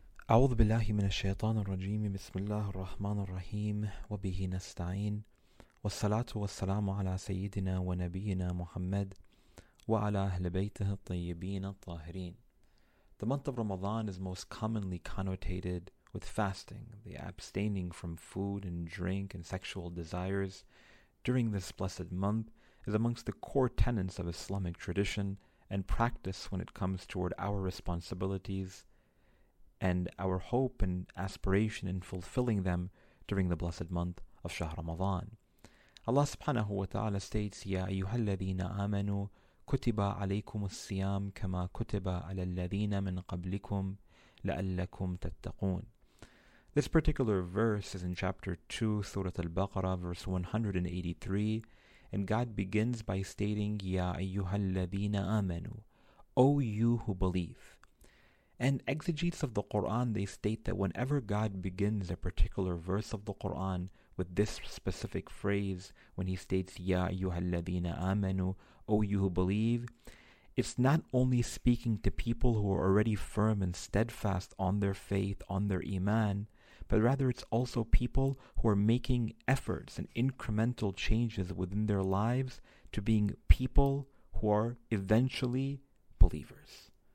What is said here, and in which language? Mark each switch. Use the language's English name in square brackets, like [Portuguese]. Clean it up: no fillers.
[Arabic] أعوذ بالله من الشيطان الرجيم بسم الله الرحمن الرحيم وبه نستعين والصلاة والسلام على سيدنا ونبينا محمد وعلى أهل بيته الطيبين الطاهرين. [English] The month of Ramadan is most commonly connotated with fasting, the abstaining from food and drink and sexual desires. During this blessed month is amongst the core tenets of Islamic tradition and practice when it comes toward our responsibilities and our hope and aspiration in fulfilling them during the blessed month of Shah Ramadan. Allah subhanahu wa ta'ala states, [Arabic] يَا أَيُّهَا الَّذِينَ آمَنُوا كُتِبَ عَلَيْكُمُ السِّيَامُ كَمَا كُتِبَ عَلَى الَّذِينَ مِنْ قَبْلِكُمْ لَأَلَّكُمْ تَتَّقُونَ. [English] This particular verse is in chapter 2, Surah Al-Baqarah, verse 183, and God begins by stating, [Arabic] يَا أَيُّهَا الَّذِينَ آمَنُوا, [English] O you who believe. And exegetes of the Qur'an, they state that whenever God begins a particular verse of the Qur'an with this specific phrase, when he states, [Arabic] يَا أَيُّهَا الَّذِينَ آمَنُوا, [English] O you who believe, it's not only speaking to people who are already firm and steadfast on their faith, on their iman, but rather it's also people who are making efforts and incremental changes within their lives to being people who are eventually believers.